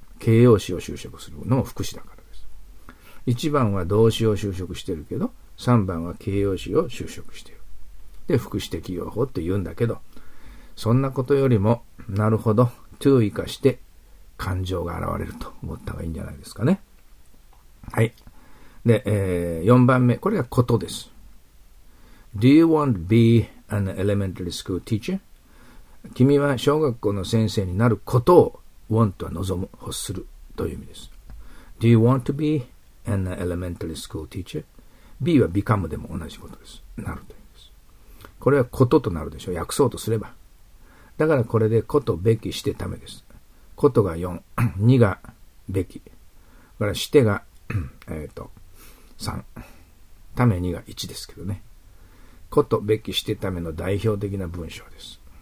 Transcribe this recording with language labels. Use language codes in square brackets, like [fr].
[ja] 形容詞を修飾するのも副詞だからです。1番は動詞を修飾してるけど、3番は形容詞を修飾している。で、副詞的用法って言うんだけど、そんなことよりも、なるほど、to 以下して感情が現れると思った方がいいんじゃないですかね。はい。で、4番目、これがことです。 [en] Do you want to be an elementary school teacher? [ja] 君は小学校の先生になることを want は望む、欲するという意味です。 [en] Do you want to be an elementary school teacher? [ja] be は become でも同じことです。なるという。これはこととなるでしょう。訳そうとすれば。だからこれでことべきしてためです。ことが4、2がべき。だからしてが、3。ため2が1ですけどね。ことべきしてための代表的な文章です。